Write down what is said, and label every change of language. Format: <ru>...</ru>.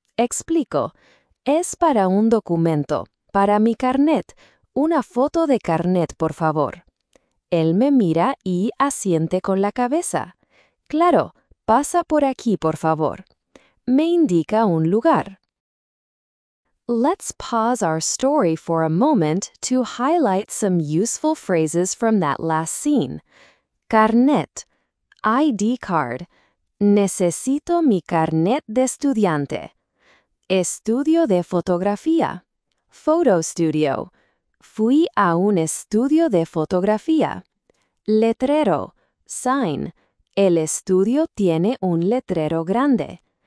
<es>Explico, «Es para un documento, para mi carnet. Una foto de carnet, por favor». Él me mira y asiente con la cabeza. «Claro, pasa por aquí, por favor». Me indica un lugar.</es> <en>Let's pause our story for a moment to highlight some useful phrases from that last scene.</en> <es>Carnet, ID card. Necesito mi carnet de estudiante. Estudio de fotografía.</es> <en>Photo studio.</en> <es>Fui a un estudio de fotografía. Letrero, sign. El estudio tiene un letrero grande.</es>